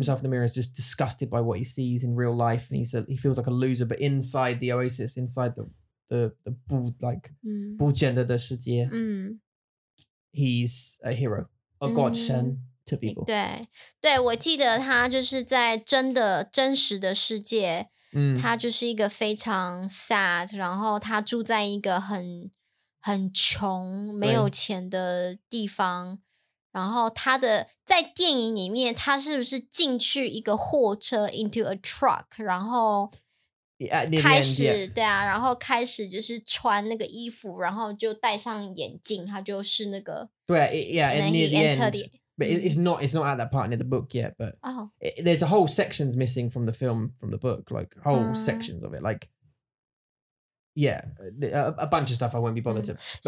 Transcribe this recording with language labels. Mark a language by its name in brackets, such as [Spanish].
[English] himself in the mirror, is just disgusted by what he sees in real life, and he feels like a loser, but inside the oasis, inside the like, [Chinese] 不见得的世界, [English] he's a hero, a godsend to people. [Chinese] 对,我记得他就是在真实的世界, 他就是一个非常sad, 然后他住在一个很穷,没有钱的地方, 然后他的,在电影里面, 他是不是进去一个货车, [English] into a truck, [Chinese] 然后开始, [English] yeah, near the end, yeah. [Chinese] 对啊, 然后开始就是穿那个衣服, 然后就戴上眼镜, 他就是那个, 对, [English] yeah, it's not at that part near the book yet, but there's a whole sections missing from the film, from the book, like whole sections of it, like, yeah, a bunch of stuff I won't be bothered to.